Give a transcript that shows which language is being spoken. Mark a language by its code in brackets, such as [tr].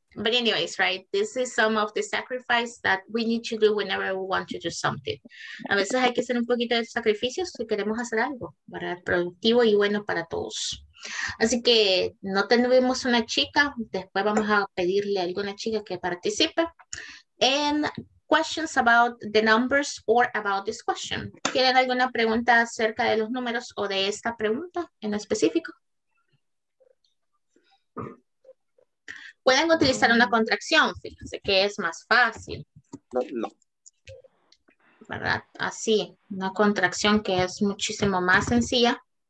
[en] But anyways, right, this is some of the sacrifice that we need to do whenever we want to do something. [es] A veces hay que hacer un poquito de sacrificios si queremos hacer algo, para productivo y bueno para todos. Así que no tenemos una chica, después vamos a pedirle a alguna chica que participe. [en] And questions about the numbers or about this question. [es] ¿Tienen alguna pregunta acerca de los números o de esta pregunta en específico? Pueden utilizar una contracción, fíjense que es más fácil. No. ¿Verdad? Así, una contracción que es muchísimo más sencilla.